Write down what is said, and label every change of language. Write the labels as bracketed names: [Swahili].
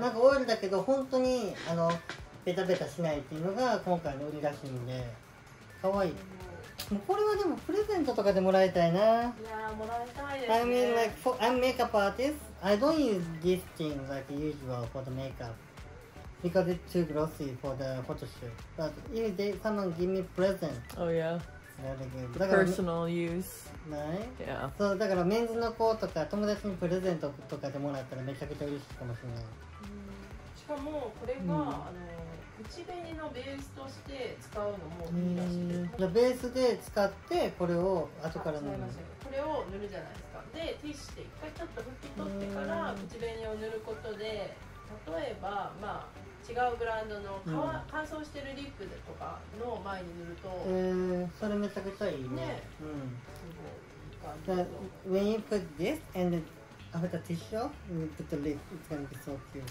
[Japanese] なんかオイルだけど本当にあのベタベタしないっていうのが今回の売りらしいんで、可愛い。もうこれはでもプレゼントとかでもらいたいな。いやー、もらいたいですね。 [English] I mean, like, I'm makeup artist. I don't use this thing like usual for the makeup because it's too glossy for the photo shoot. But if someone give me present, oh yeah, the personal use. Yeah. [Japanese] So, だからメンズの子とか友達にプレゼントとかでもらったらめちゃくちゃ嬉しいかもしれない。しかもこれが、口紅のベースとして使うのもいいらしい。じゃベースで使ってこれを後から塗る。これを塗るじゃないですか。でティッシュで一回ちょっと拭き取ってから口紅を塗ることで、例えばまあ違うブランドの乾燥してるリップとかの前に塗ると、それめちゃくちゃいいね。ね。うん。 [English] So when you put this and after tissue, when you put the lip, it's gonna be so cute.